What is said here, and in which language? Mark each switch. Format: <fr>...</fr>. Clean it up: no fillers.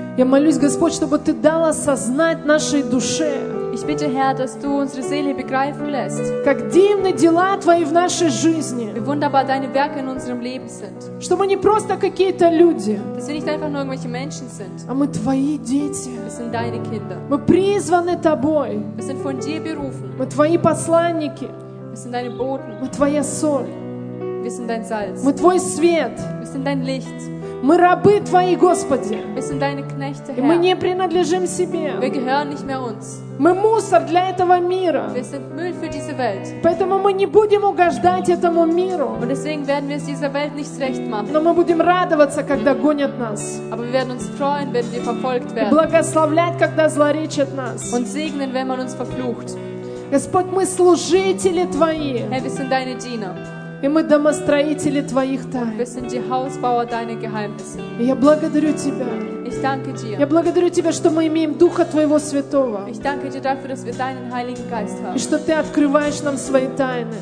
<ru>Я молюсь, Господь, чтобы Ты дал осознать нашей душе.</ru> <de>Ich bitte, Herr, dass du unsere Seele begreifen lässt.</de> <ru>Как дивны дела Твои в нашей жизни.</ru> <de>Wie wunderbar deine Werke in unserem Leben sind.</de> <ru>Что мы не просто какие-то люди.</ru> <de>Dass wir nicht einfach nur irgendwelche Menschen sind.</de> <ru>А мы Твои дети.</ru> <de>Wir sind deine Kinder.</de> <ru>Мы призваны Тобой.</ru> <de>Wir sind von dir berufen.</de> <ru>Мы Твои посланники.</ru> <de>Wir sind deine Boten.</de> <ru>Мы Твоя соль.</ru> <de>Wir sind dein Salz.</de> <ru>Мы Твой свет.</ru> <de>Dein Licht.</de> <ru>Мы рабы Твои, Господи.</ru> <de>Wir sind deine Knechte, Herr.</de> <ru>И мы не принадлежим себе.</ru> <de>Wir gehören nicht mehr uns.</de> <ru>Мы мусор для этого мира.</ru> <de>Wir sind Müll für diese Welt.</de> <ru>Поэтому мы не будем угождать этому миру.</ru> <de>Und deswegen werden wir es dieser Welt nicht recht machen.</de> <ru>Но мы будем радоваться, когда гонят нас.</ru> <de>Aber wir werden uns freuen, wenn wir verfolgt werden.</de> <ru>И благословлять, когда злоречат нас.</ru> <de>Und segnen, wenn man uns verflucht.</de> <ru>Господь, мы служители Твои.</ru> <de>Herr, wir sind deine Diener.</de> <ru>И мы домостроители Твоих тайн.</ru> <de>Wir sind die Hausbauer deiner Geheimnisse.</de> <ru>И я благодарю Тебя.</ru> <de>Ich danke dir.</de> <ru>Я благодарю Тебя, что мы имеем Духа Твоего Святого.</ru> <de>Ich danke dir dafür, dass wir deinen Heiligen Geist haben.</de> <ru>И что Ты открываешь нам свои тайны.</ru>